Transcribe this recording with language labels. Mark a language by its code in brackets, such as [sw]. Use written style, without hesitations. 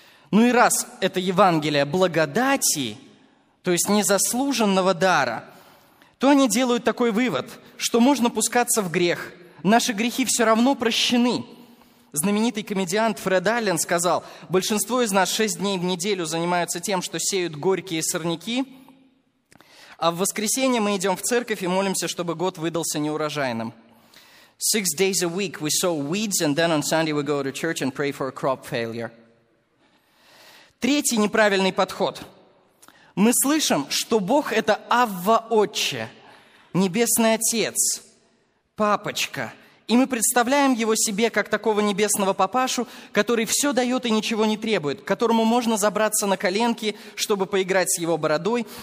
[ru] Ну и раз это Евангелие благодати, то есть незаслуженного дара, то они делают такой вывод, что можно пускаться в грех. Наши грехи все равно прощены. Знаменитый комедиант Фред Аллен сказал: «Большинство из нас 6 дней в неделю занимаются тем, что сеют горькие сорняки, а в воскресенье мы идем в церковь и молимся, чтобы год выдался неурожайным». [en] 6 days a week we sow weeds, and then on Sunday we go to church and pray for a crop failure. [ru] Третий неправильный подход. Мы слышим, что Бог – это Авва Отче, Небесный Отец, Папочка. И мы представляем Его себе как такого небесного папашу, который все дает и ничего не требует, которому можно забраться на коленки, чтобы поиграть с Его бородой.